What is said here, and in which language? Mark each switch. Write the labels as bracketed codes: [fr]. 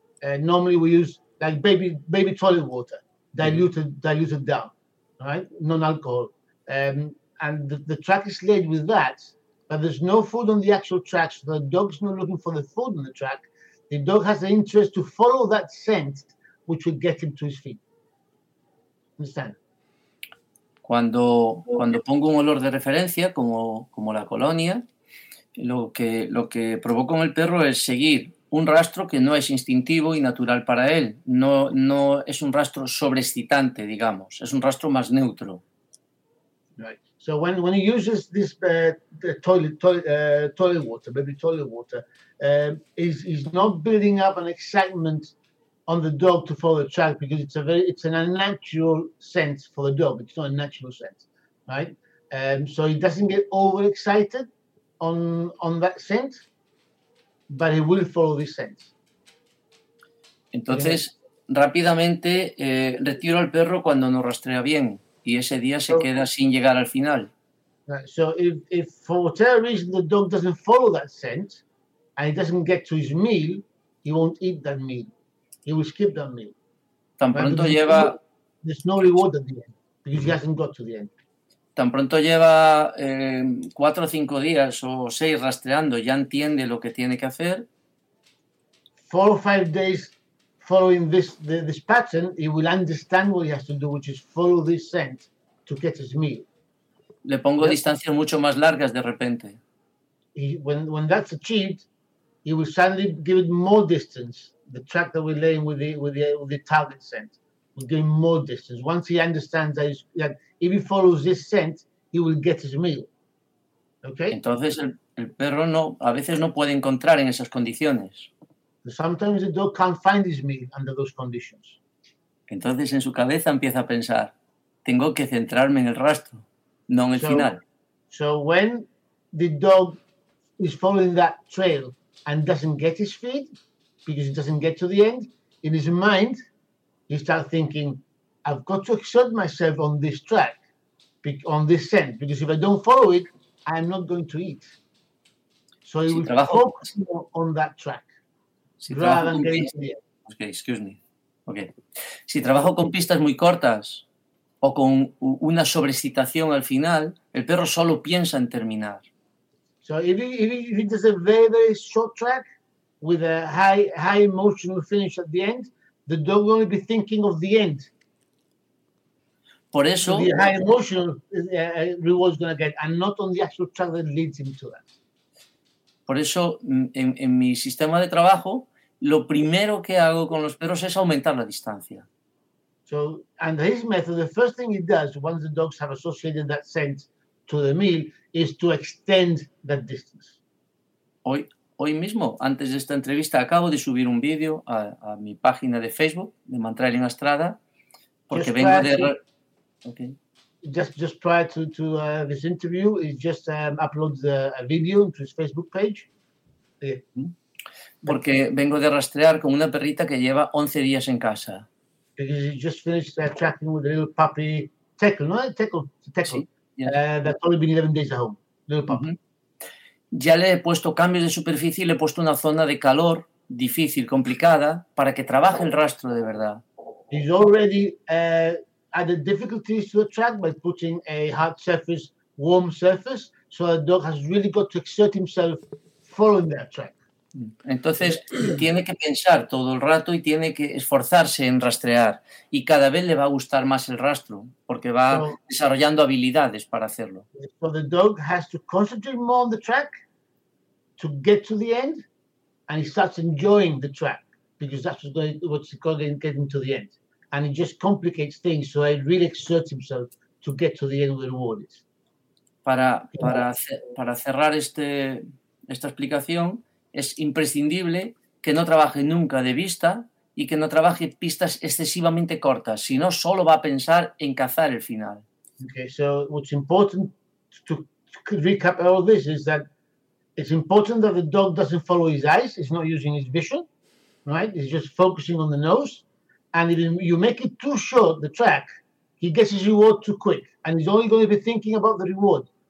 [en] Normally we use like baby toilet water diluted down, right? Non-alcohol, and the track is laid with that. But there's no food on the actual track, so the dog's not looking for the food on the track. The dog has the interest to follow that scent, which will get him to his feet. Understand? [es] Cuando pongo un olor de referencia, como la colonia, lo que provoco en el perro es seguir un rastro que no es instintivo y natural para él. No es un rastro sobreexcitante, digamos. Es un rastro más neutro. [en] Right. So when he uses this toilet water, he's not building up an excitement on the dog to follow the track because it's an unnatural scent for the dog. It's not a natural scent, right? So he doesn't get overexcited on that scent, but he will follow this scent. [es] Entonces, rápidamente retiro al perro cuando no rastrea bien y ese día se queda sin llegar al final. [en] Right. So if for whatever reason the dog doesn't follow that scent and he doesn't get to his meal, he won't eat that meal. He will skip that meal. [es] Tan pronto lleva... [en] There's no reward at the end because he hasn't got to the end. [es] Tan pronto lleva 4 o 5 días o 6 rastreando, ya entiende lo que tiene que hacer. [en] 4 or 5 days following this pattern, he will understand what he has to do, which is follow this scent to get his meal. [es] Le pongo distancias mucho más largas de repente. [en] When that's achieved, he will suddenly give it more distance. The track that we're laying with the target scent will give him more distance. Once he understands that if he follows this scent, he will get his meal. Okay. [es] Entonces el perro no a veces no puede encontrar en esas condiciones. [en] Sometimes the dog can't find his meal under those conditions. [es] Entonces en su cabeza empieza a pensar: tengo que centrarme en el rastro. No en el final. [en] So when the dog is following that trail and doesn't get his feed because he doesn't get to the end, in his mind, he starts thinking, I've got to exert myself on this track, on this scent, because if I don't follow it, I'm not going to eat. So he will focus more on that track. Si rather than getting to the end. Okay, excuse me. Okay. [es] Si trabajo con pistas muy cortas o con una sobreexcitación al final, el perro solo piensa en terminar. [en] So if it is a very, very short track with a high emotional finish at the end, the dog will only be thinking of the end. [es] Por eso, [en] the high emotional reward is going to get, and not on the actual track that leads him to that. [es] Por eso, en mi sistema de trabajo, lo primero que hago con los perros es aumentar la distancia. [en] So, and his method, the first thing he does once the dogs have associated that scent to the meal is to extend that distance. [es] Hoy mismo, antes de esta entrevista, acabo de subir un vídeo a mi página de Facebook, de Mantra en Estrada, porque just vengo de... [en] Just prior to this interview, he just uploads a video to his Facebook page. [es] Porque vengo de rastrear con una perrita que lleva 11 días en casa. [en] Because he just finished tracking with a little puppy, Teckel, sí, that's only been 11 days at home, little puppy. Mm-hmm. [es] Ya le he puesto cambios de superficie y le he puesto una zona de calor difícil, complicada, para que trabaje el rastro de verdad. [en] He's already added difficulties to the track by putting a hard surface, warm surface, so the dog has really got to exert himself following that track. [es] Entonces, tiene que pensar todo el rato y tiene que esforzarse en rastrear. Y cada vez le va a gustar más el rastro, porque va desarrollando habilidades para hacerlo. [en] So the dog has to concentrate more on the track to get to the end, and he starts enjoying the track, because that's what's called getting to the end. And it just complicates things, so he really exerts himself to get to the end where the reward is. [es] Para cerrar esta explicación, es imprescindible que no trabaje nunca de vista y que no trabaje pistas excesivamente cortas, sino solo va a pensar en cazar el final. [en] Okay, so what's important to recap all this is that it's important that the dog doesn't follow his eyes, it's not using his vision, right? It's just focusing on the nose. And if you make it too short, the track, he gets his reward too quick and he's only going to be thinking about the reward.